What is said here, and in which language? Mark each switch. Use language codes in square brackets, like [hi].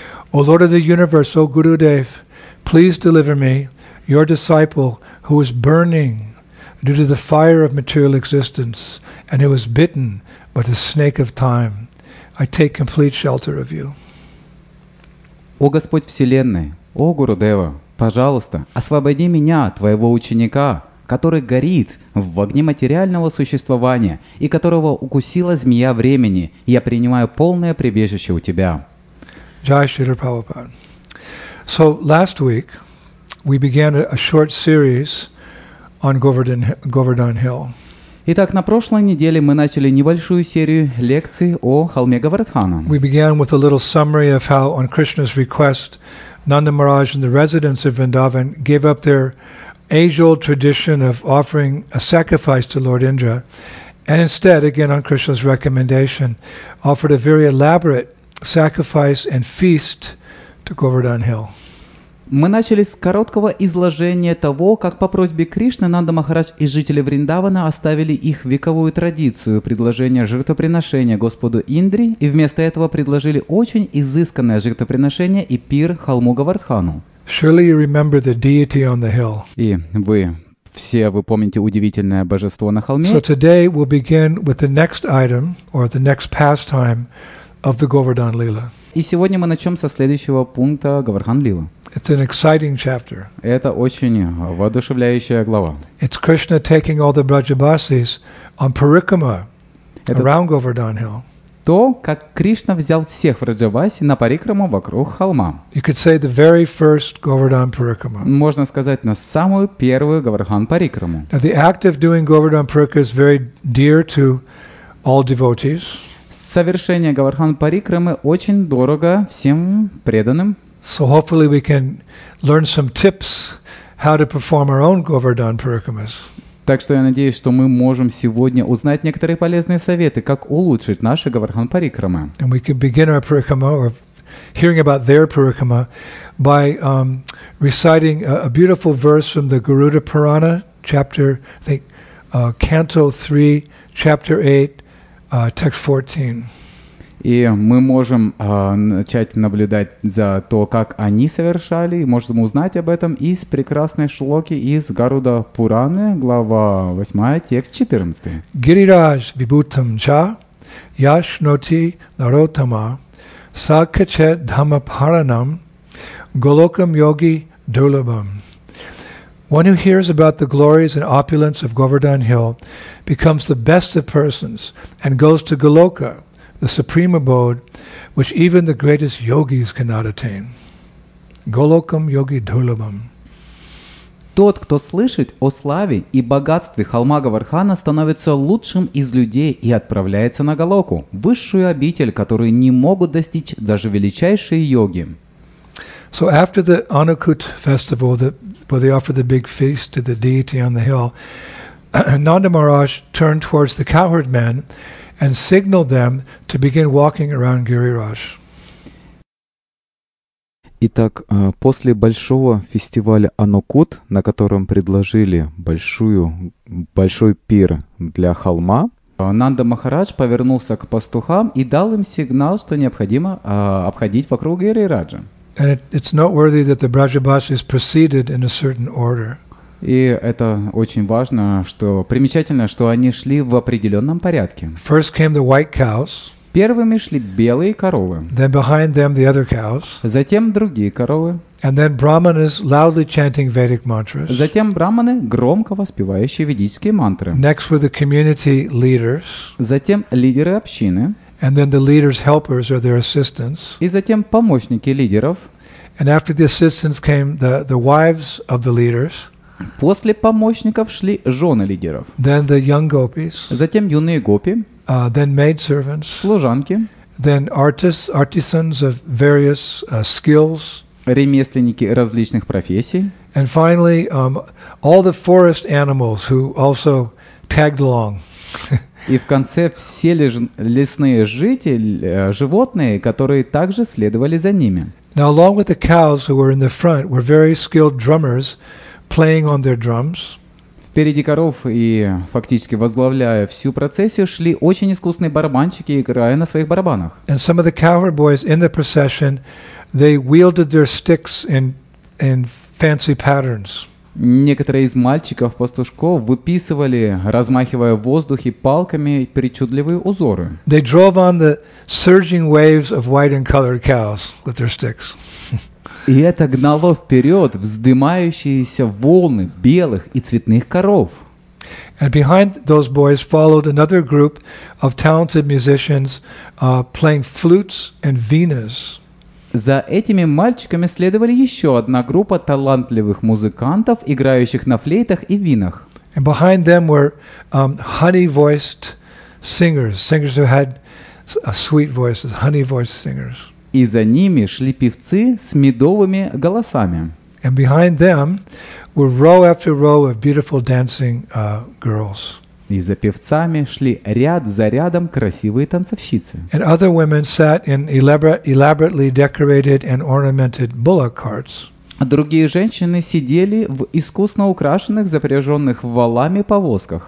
[en] O Lord of the Universe, O Gurudev, please deliver me, your disciple who is burning due to the fire of material existence, and who was bitten by the snake of time. I take complete shelter of you. [ru] О Господь Вселенной, о Гурудева, пожалуйста, освободи меня, твоего ученика, который горит в огне материального существования и которого укусила змея времени. Я принимаю полное прибежище у тебя. [en] Jai Śrīla Prabhupāda. So last week we began a short series on Govardhan Hill. [ru] Итак, на прошлой неделе мы начали небольшую серию лекций о холме Говардхана. [en] We began with a little summary of how, on Krishna's request, Nanda Maharaj and the residents of Vrindavan gave up their age-old tradition of offering a sacrifice to Lord Indra, and instead, again on Krishna's recommendation, offered a very elaborate sacrifice and feast to Govardhan Hill. [ru] Мы начали с короткого изложения того, как по просьбе Кришны Нанда Махарадж и жители Вриндавана оставили их вековую традицию предложения жертвоприношения Господу Индри и вместо этого предложили очень изысканное жертвоприношение и пир холму Говардхану. [en] Surely you remember the deity on the hill. [ru] И вы все вы помните удивительное божество на холме. [en] So today we'll begin with the next item or the next pastime of the Govardhan Lila. [ru] И сегодня мы начнем со следующего пункта Говардхан Лила. [en] It's an exciting chapter. [ru] Это очень воодушевляющая глава. [en] It's Krishna taking all the Brajabasis on parikrama around Govardhan Hill. [ru] То, как Кришна взял всех Враджаваси на парикраму вокруг холма. [en] You could say the very first Govardhan parikrama. [ru] Можно сказать, на самую первую Говардхан парикраму. [en] Now the act of doing Govardhan parikrama is very dear to all devotees. [ru] Совершение Говардхан парикрамы очень дорого всем преданным. [en] So hopefully we can learn some tips how to perform our own Govardhan parikramas. [ru] Так что я надеюсь, что мы можем сегодня узнать некоторые полезные советы, как улучшить наши Говардхан парикрамы. [en] And we can begin our parikrama or hearing about their parikrama by reciting a beautiful verse from the Garuda Purana, chapter, I think, canto 3, chapter 8. Text 14. [ru] И мы можем начать наблюдать за то, как они совершали, и можем узнать об этом из прекрасной шлоки из Гаруда Пураны, глава 8, текст 14. [sa] Гирираж вибутам ча яшноти наротама сакаче дхамапаранам голокам йоги дулабам. [en] One who hears about the glories and opulence of Govardhan Hill becomes the best of persons and goes to Goloka, the supreme abode, which even the greatest yogis cannot attain. [sa] Golokam yogi dhulabam. [ru] Тот, кто слышит о славе и богатстве холма Говардхана, становится лучшим из людей и отправляется на Голоку, высшую обитель, которую не могут достичь даже величайшие йоги. [en] So after the Anukut festival, where they offer the big feast to the deity on the hill, Nanda Maharaj turned towards the cowherd men and signaled them to begin walking around Giriraj. [ru] Итак, после большого фестиваля Анукут, на котором предложили большой пир для холма, Нанда Махарадж повернулся к пастухам и дал им сигнал, что необходимо обходить вокруг Гирираджа. [en] And it's noteworthy that the Brajabhasa is preceded in a certain order. [ru] И это очень важно, что примечательно, что они шли в определенном порядке. [en] First came the white cows. [ru] Первыми шли белые коровы. [en] Then behind them the other cows. [ru] Затем другие коровы. [en] And then brahmanas loudly chanting Vedic mantras. [ru] Затем брахманы, громко воспевающие ведические мантры. [en] Next were the community leaders. [ru] Затем лидеры общины. [en] And then the leaders' helpers or their assistants. [ru] И затем помощники лидеров. [en] And after the assistants came the wives of the leaders. [ru] После помощников шли жены лидеров. [en] Then the young gopis. [ru] Затем юные гопи. [en] Then maid servants. [ru] Служанки. [en] Then artisans of various skills. [ru] Ремесленники различных профессий. [en] And finally, all the forest animals who also tagged along. [ru] И в конце все лесные жители, животные, которые также следовали за ними. [en] Now, along with the cows who were in the front, were very skilled drummers playing on their drums. [ru] Впереди коров и фактически возглавляя всю процессию шли очень искусные барабанщики, играя на своих барабанах. [en] And some of the cowherd boys in the procession, they wielded their sticks in fancy patterns. [ru] Некоторые из мальчиков-пастушков выписывали, размахивая в воздухе палками, причудливые узоры. [en] They drove on the surging waves of white and colored cows with their sticks. [ru] И это гнало вперед вздымающиеся волны белых и цветных коров. [en] And behind those boys followed another group of talented musicians playing flutes and vinas. [ru] За этими мальчиками следовали еще одна группа талантливых музыкантов, играющих на флейтах и винах. [en] And behind them were honey-voiced singers who had sweet voices, honey-voiced singers. [ru] И за ними шли певцы с медовыми голосами. [en] And behind them were row after row of beautiful dancing girls. [ru] И за певцами шли ряд за рядом красивые танцовщицы. [en] And other women sat in elaborately decorated and ornamented bullock carts. [ru] А другие женщины сидели в искусно украшенных, запряженных валами повозках.